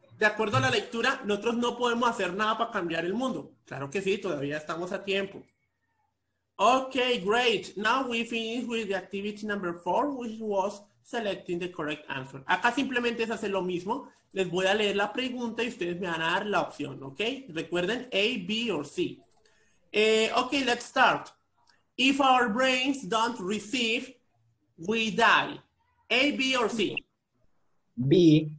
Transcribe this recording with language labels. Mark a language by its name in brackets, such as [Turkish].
[Spanish] De acuerdo a la lectura, nosotros no podemos hacer nada para cambiar el mundo. Claro que sí, todavía estamos a tiempo. [English] Okay, great. Now we finish with the activity number 4, which was selecting the correct answer. [Spanish] Acá simplemente es hacer lo mismo. Les voy a leer la pregunta y ustedes me van a dar la opción, ¿ok? Recuerden, A, B o C. [English] Okay, let's start. If our brains don't receive, we die. [Spanish] A, B o C? B.